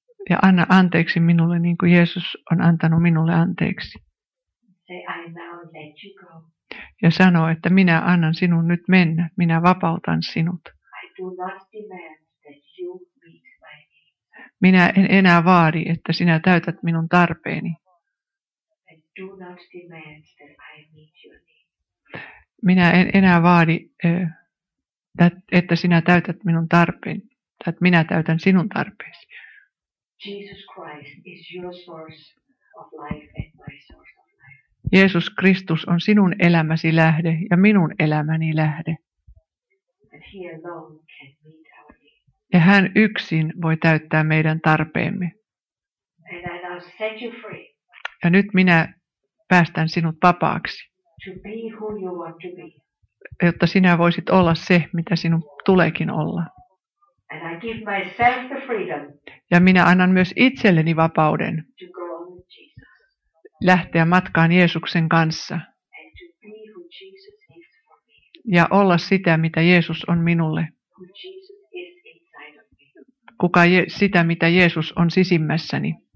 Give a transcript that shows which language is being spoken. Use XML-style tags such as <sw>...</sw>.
<fi>Ja anna anteeksi minulle, niin kuin Jeesus on antanut minulle anteeksi.</fi> <en>say, I now let you go.</en> <fi>Ja sanoo, että minä annan sinun nyt mennä, minä vapautan sinut.</fi> <en>I do not demand that you meet my need.</en> <fi>Minä en enää vaadi, että sinä täytät minun tarpeeni.</fi> <en>I do not demand that I meet your need.</en> <fi>Minä en enää vaadi, että sinä täytät minun tarpeeni, tai että minä täytän sinun tarpeesi.</fi> <en>Jesus Christ is your source of life and my source of life.</en> <fi>Jeesus Kristus on sinun elämäsi lähde ja minun elämäni lähde.</fi> <en>And he alone can meet our need.</en> <fi>Ja hän yksin voi täyttää meidän tarpeemme.</fi> <en>And I now set you free.</en> <fi>Ja nyt minä päästän sinut vapaaksi.</fi> <en>To be who you want to be.</en> <fi>Jotta sinä voisit olla se, mitä sinun tuleekin olla.</fi> <en>And I give myself the freedom.</en> <fi>Ja minä annan myös itselleni vapauden</fi> <en>to go with Jesus.</en> <fi>Lähteä matkaan Jeesuksen kanssa.</fi> <en>And to be who Jesus is for me.</en> <fi>Ja olla sitä, mitä Jeesus on minulle.</fi> <en>Who Jesus is inside of me.</en> <fi>Kuka sitä, mitä Jeesus on sisimmässäni.</fi>